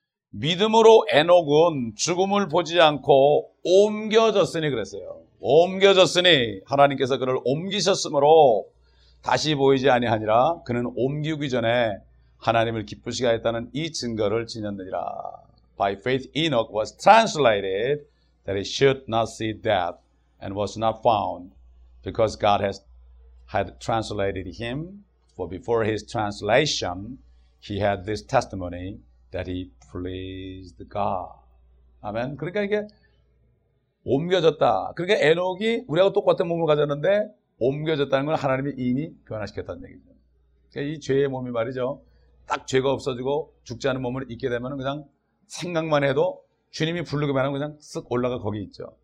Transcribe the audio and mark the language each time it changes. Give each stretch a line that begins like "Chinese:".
Korean: 믿음으로 에녹은 죽음을 보지 않고 옮겨졌으니 그랬어요. 옮겨졌으니 하나님께서 그를 옮기셨으므로 다시 보이지 아니하니라. 그는 옮기기 전에 하나님을 기쁘시게 했다는 이 증거를 지녔느니라.
English: By faith Enoch was translated that he should not see death and was not found because God had translated him. For before his translation, he had this testimony that he pleased God.
Korean: 아멘. 그러니까 이게 옮겨졌다. 그러니까 에녹이 우리하고 똑같은 몸을 가졌는데 옮겨졌다는 건 하나님이 이미 변화시켰다는 얘기죠. 그러니까 이 죄의 몸이 말이죠. 딱 죄가 없어지고 죽지 않은 몸을 잊게 되면 그냥 생각만 해도 주님이 부르기만 하면 그냥 쓱 올라가 거기 있죠.